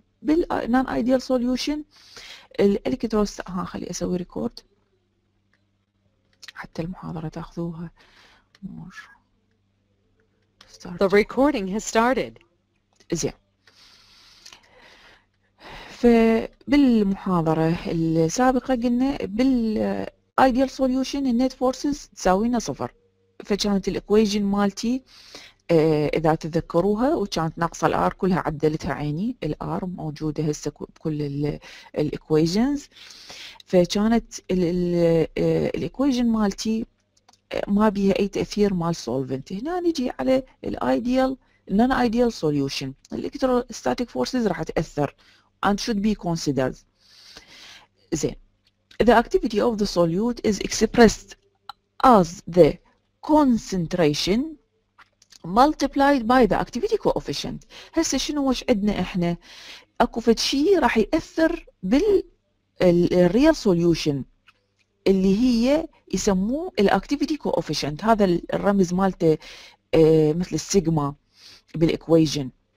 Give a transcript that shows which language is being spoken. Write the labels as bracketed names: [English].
[Arabic] بال [English] non ideal solution [Arabic] الالكتروس. ها خلي اسوي ريكورد حتى المحاضرة تاخذوها. [English] The recording has started. [Arabic] زين. فبالمحاضرة السابقة قلنا بالايديال سوليوشن النت فورسز تساوينا صفر. فكانت الاكويجن مالتي اذا تذكروها وكانت ناقصة الار كلها عدلتها عيني. الار موجودة هسه بكل الاكويجنز. فكانت الاكويجن مالتي ما بيها اي تأثير مال سولفنت. هنا نجي على الايديال نون ايديال سوليوشن الالكتروستاتيك فورسز راح تأثر [English] and should be considered. Then, the activity of the solute is expressed as the concentration multiplied by the activity coefficient. [Arabic] هسه شنو وش عندنا احنا؟ اكو فد شيء راح ياثر بال الريال سوليوشن اللي هي يسموه الاكتيفيتي كوفيشنت. هذا الرمز مالته مثل السيجما بالاكويجن.